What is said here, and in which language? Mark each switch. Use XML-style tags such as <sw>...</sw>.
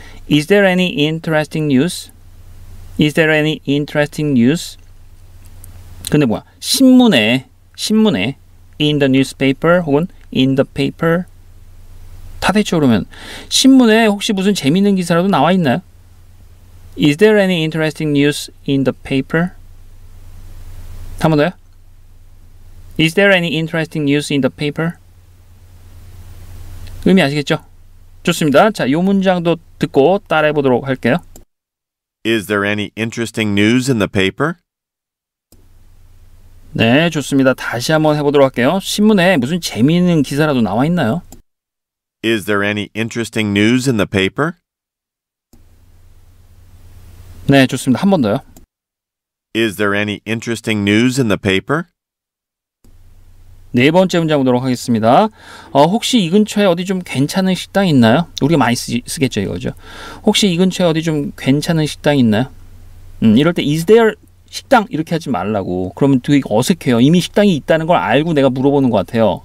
<en>Is there any interesting news? Is there any interesting news?</en> <ko>근데 뭐야? 신문에</ko> <en>in the newspaper</en> <ko>혹은</ko> <en>in the paper</en> <ko>다 됐죠. 그러면 신문에 혹시 무슨 재미있는 기사라도 나와 있나요?</ko> <en>Is there any interesting news in the paper?</en> <ko>한 번 더요.</ko> <en>Is there any interesting news in the paper?</en> <ko>의미 아시겠죠? 좋습니다. 자, 요 문장도 듣고 따라해 보도록 할게요.</ko> <en>Is there any interesting news in the paper?</en> <ko>네, 좋습니다. 다시 한번 해보도록 할게요. 신문에 무슨 재미있는 기사라도 나와 있나요?</ko> <en>Is there any interesting news in the paper?</en> <ko>네, 좋습니다. 한 번 더요.</ko> <en>Is there any interesting news in the paper?</en> <ko>네 번째 문장 보도록 하겠습니다. 혹시 이 근처에 어디 좀 괜찮은 식당 있나요? 우리가 많이 쓰겠죠, 이거죠. 혹시 이 근처에 어디 좀 괜찮은 식당 있나요? 이럴 때</ko> <en>is there</en> <ko>식당 이렇게 하지 말라고. 그러면 되게 어색해요. 이미 식당이 있다는 걸 알고 내가 물어보는 것 같아요.</ko>